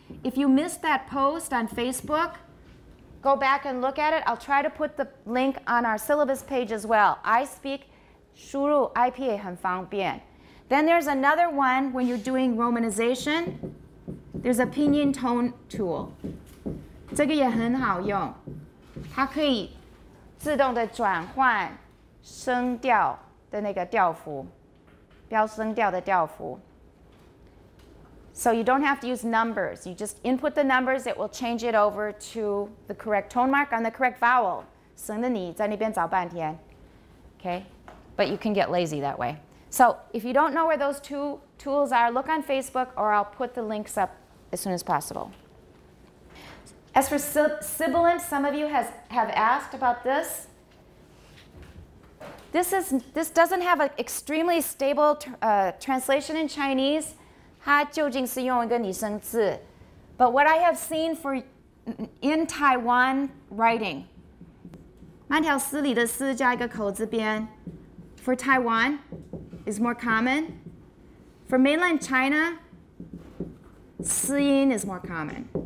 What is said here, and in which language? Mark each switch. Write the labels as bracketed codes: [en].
[en] If you missed that post on Facebook, go back and look at it. I'll try to put the link on our syllabus page as well. iSpeak, [zh] 输入 IPA 很方便. [en] Then there's another one when you're doing romanization. There's a pinyin tone tool. [zh] 这个也很好用。它可以自动的转换声调。的那个调符，飙升调的调符。 [en] So you don't have to use numbers. You just input the numbers. It will change it over to the correct tone mark on the correct vowel. [zh] 省得你在那边找半天。 [en] Okay, but you can get lazy that way. So if you don't know where those two tools are, look on Facebook, or I'll put the links up as soon as possible. As for sibilant, some of you have asked about this. This doesn't have an extremely stable translation in Chinese. [zh] 它究竟是用一个拟声字。 [en] But what I have seen for in Taiwan writing, [zh] 慢条斯理的斯加一个口字边 [en] for Taiwan is more common. For mainland China, 斯音 is more common.